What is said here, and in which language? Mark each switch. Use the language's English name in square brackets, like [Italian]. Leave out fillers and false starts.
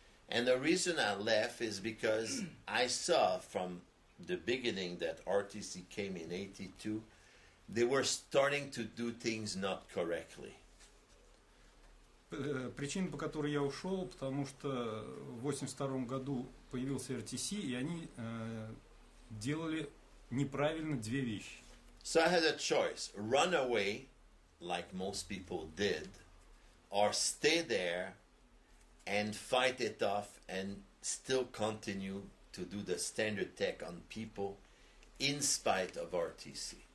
[English] And the reason I left is because I saw from the beginning that RTC came in 82, they were starting to do things not correctly. [Russian] Причина, по которой я ушел, потому что в 82 году появился RTC, и они делали неправильно две вещи. [English] So I had a choice: run away, like most people did, or stay there and fight it off and still continue to do the standard tech on people in spite of RTC.